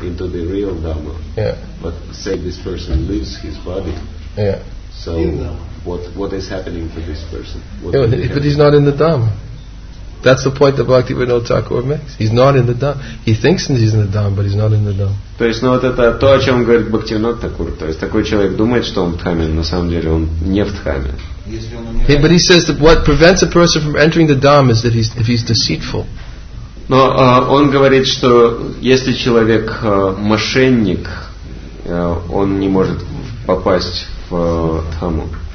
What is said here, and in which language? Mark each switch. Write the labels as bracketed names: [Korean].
[English] into the real Dhamma. Yeah. But say this person leaves his body. Yeah. So what is happening to this person? But he's not in the Dhamma. That's the point that Bhaktivinoda Thakur makes. He's not in the Dham. He thinks he's in the Dham, but he's not in the Dham. [Russian] То есть, ну вот это то, о чем говорит Бхактивинода Такур. То есть такой человек думает, что он в Дхамме, но на самом деле он не в Дхамме. [English] Hey, but he says that what prevents a person from entering the Dham is that he's if he's deceitful. [Russian] Но он говорит, что если человек мошенник, он не может попасть в Дхамму.